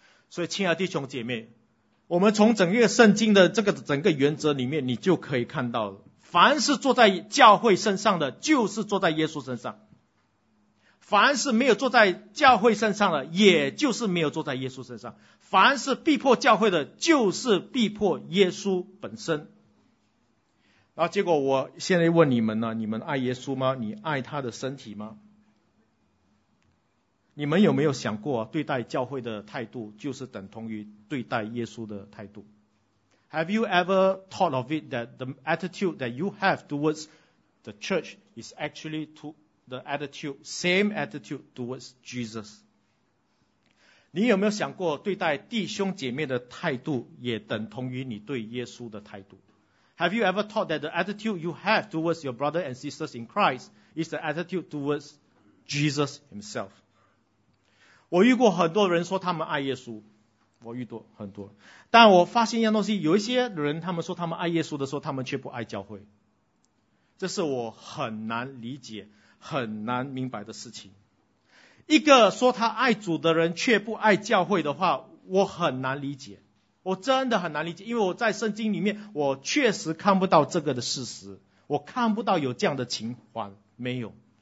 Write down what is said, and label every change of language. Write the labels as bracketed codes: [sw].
[zh] 所以亲爱的弟兄姐妹，我们从整个圣经的这个整个原则里面，你就可以看到了，凡是坐在教会身上的，就是坐在耶稣身上；凡是没有坐在教会身上的，也就是没有坐在耶稣身上；凡是逼迫教会的，就是逼迫耶稣本身。然后结果我现在问你们呢，你们爱耶稣吗？你爱他的身体吗？你们有没有想过，对待教会的态度就是等同于对待耶稣的态度？ [en] Have you ever thought of it that the attitude that you have towards the church is actually to the attitude, same attitude towards Jesus? [zh] 你有没有想过，对待弟兄姐妹的态度也等同于你对耶稣的态度？ [en] Have you ever thought that the attitude you have towards your brother and sisters in Christ is the attitude towards Jesus himself? [zh] 我遇过很多人说他们爱耶稣，我遇到很多，但我发现一样东西，有一些人他们说他们爱耶稣的时候，他们却不爱教会，这是我很难理解很难明白的事情。一个说他爱主的人却不爱教会的话，我很难理解，我真的很难理解，因为我在圣经里面我确实看不到这个的事实，我看不到有这样的情况，没有。